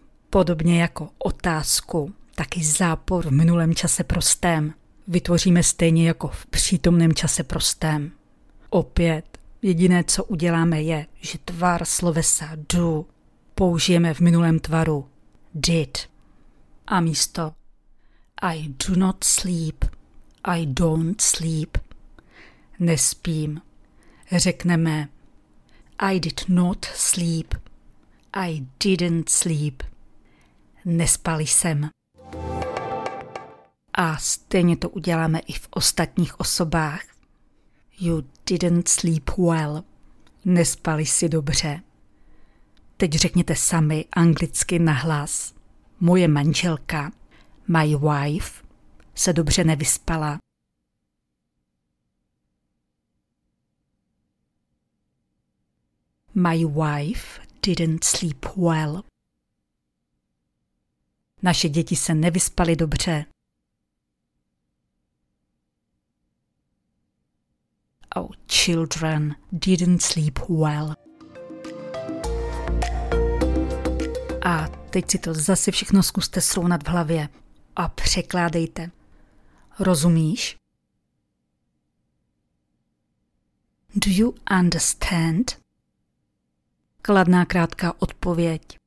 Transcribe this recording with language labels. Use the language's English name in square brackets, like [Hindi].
[Czech] Podobně jako otázku, taky zápor v minulém čase prostém vytvoříme stejně jako v přítomném čase prostém. Opět, jediné, co uděláme, je, že tvar slovesa do použijeme v minulém tvaru did. A místo [English] I do not sleep, I don't sleep, [Czech] nespím, řekneme [English] I did not sleep, I didn't sleep. [Czech] Nespal jsem. A stejně to uděláme i v ostatních osobách. [English] You didn't sleep well. [Czech] Nespali si dobře? Teď řekněte sami anglicky nahlas. Moje manželka, [English] my wife, [Czech] se dobře nevyspala. [English] My wife didn't sleep well. [Czech] Naše děti se nevyspaly dobře. [English] Our children didn't sleep well. [Czech] A teď si to zase všechno zkuste srovnat v hlavě a překládejte. Rozumíš? [English] Do you understand? [Czech] Kladná krátká odpověď.